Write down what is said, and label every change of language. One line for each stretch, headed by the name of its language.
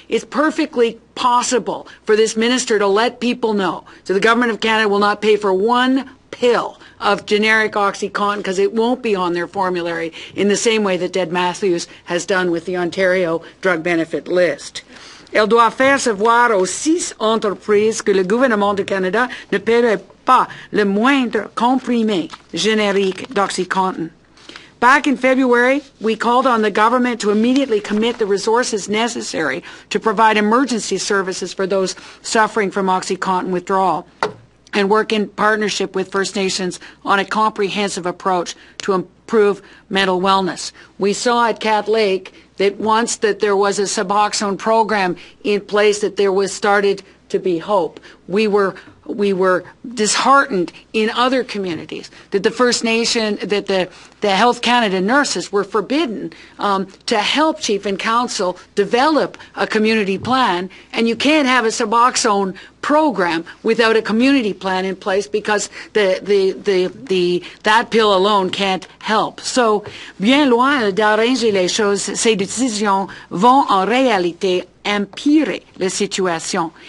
English: It's perfectly possible for this minister to let people know that the government of Canada will not pay for one pill of generic OxyContin because it won't be on their formulary in the same way that Ded Matthews has done with the Ontario drug benefit list.
French: Elle doit faire savoir aux six entreprises que le gouvernement du Canada ne paierait pas le moindre comprimé générique d'OxyContin.
English: Back in February, we called on the government to immediately commit the resources necessary to provide emergency services for those suffering from OxyContin withdrawal and work in partnership with First Nations on a comprehensive approach to improve mental wellness. We saw at Cat Lake that once that there was a Suboxone program in place, that there was started to be hope. We were disheartened in other communities that the First Nation, that the Health Canada nurses were forbidden to help Chief and Council develop a community plan. And you can't have a Suboxone program without a community plan in place because the that pill alone can't help.
French: So, bien loin d'arranger les choses, ces décisions vont en réalité empirer la situation.